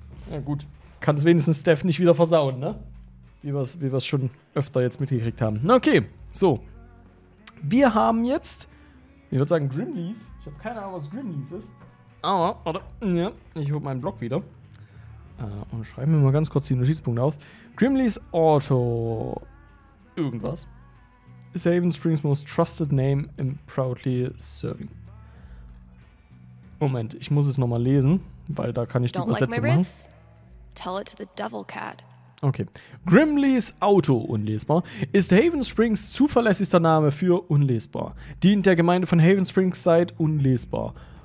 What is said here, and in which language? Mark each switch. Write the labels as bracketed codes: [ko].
[de] Ja gut, kann es wenigstens Steph nicht wieder versauen, ne? Wie wir es schon öfter jetzt mitgekriegt haben. Okay, so. Wir haben jetzt, ich würde sagen Grimleys. Ich habe keine Ahnung, was Grimleys ist. Aber, oder? Ja, ich hole meinen Block wieder. Und schreibe mir mal ganz kurz die Notizpunkte aus. Grimleys Auto. Irgendwas. [en] Is Haven Springs' most trusted name and proudly serving. [de] Moment, ich muss es nochmal lesen, weil da kann ich die Übersetzung machen. [en] Tell it to the devil cat. [de] Okay. Grimleys Auto, unlesbar, ist Haven Springs' zuverlässigster Name für unlesbar. Dient der Gemeinde von Haven Springs seit unlesbar.